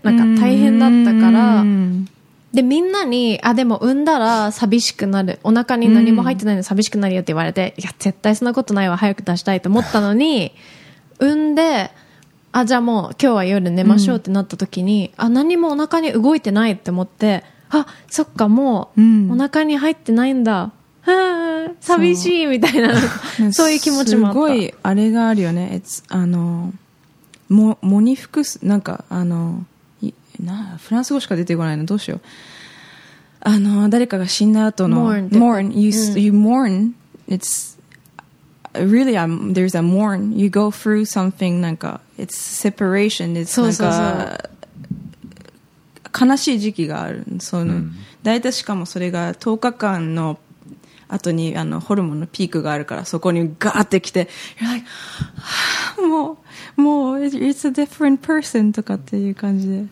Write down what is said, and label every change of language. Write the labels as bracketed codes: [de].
[ja] なんか大変だったから、でみんなにあでも産んだら寂しくなるお腹に何も入ってないので寂しくなるよって言われて、うん、いや絶対そんなことないわ早く出したいと思ったのに産んであじゃあもう今日は夜寝ましょうってなった時に、うん、あ何もお腹に動いてないって思ってあそっかもうお腹に入ってないんだ、うん、寂しいみたいなそういう気持ちもあったすごいあれがあるよね [en] It's, [ja] あのも喪に服すなんかあのなあフランス語しか出てこないのどうしようあの誰かが死んだ後の [en] mourn you mourn it's really there's a mourn you go through something [ja] なんか [en] it's separation it's [ja] そうそうそうなんか悲しい時期があるその、mm. 大体しかもそれが10日間の後にあのホルモンのピークがあるからそこにガーってきて [en] you're like [ja] もう [en] it's a different person [ja] とかっていう感じで、